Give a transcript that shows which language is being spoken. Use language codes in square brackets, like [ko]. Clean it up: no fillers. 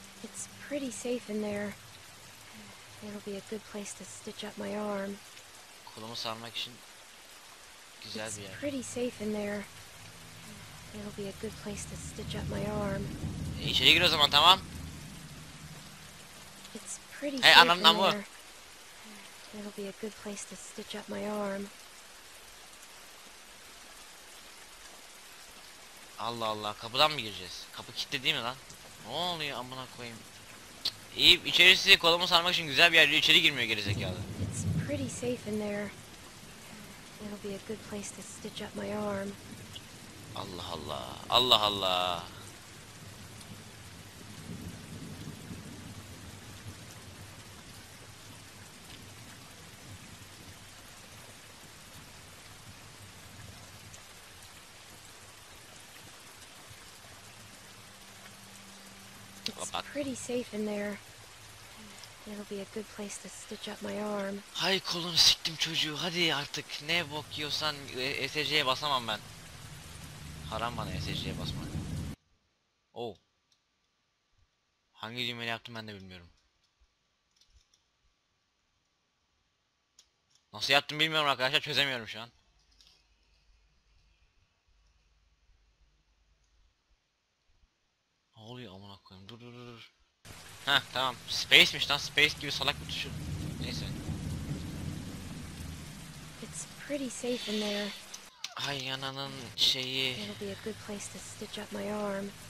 [en] It's pretty safe in there. It'll be a good place to stitch up my arm. [tr] Kolumu sarmak için güzel bir yer. [en] It's pretty safe in there. It'll be a good place to stitch up my arm. [tr] İçeri gir o zaman, tamam. [en] It's pretty safe in there. Bu. It'll be a good place to stitch up my arm. [tr] Allah Allah, kapıdan mı gireceğiz? Kapı kilitli değil mi lan? Ne oluyor amına koyayım? İyi, içerisi kolumu sarmak için güzel bir yer, içeri girmiyor gerizekalı. [en] It's pretty safe in there. It'll be a good place to stitch up my arm. [tr] Allah Allah. Allah Allah. [en] Pretty safe in there. It'll be a good place to stitch up my arm. [tr] Hay kolunu siktim çocuğu. Hadi artık ne bok yiyorsan ESC'ye basamam ben. Haram bana ESC'ye basmak. Oh. Hangi düğmeyi yaptım ben de bilmiyorum. Nasıl yaptım bilmiyorum arkadaşlar, çözemiyorum şu an. Ne oluyor amına koyayım, dur. Ha tamam, space'miş lan, space gibi salak bir tuşu. Neyse. [en] It's pretty safe in there. [tr] Ay yananın şeyi. [en] It'll be a good place to stitch up my arm.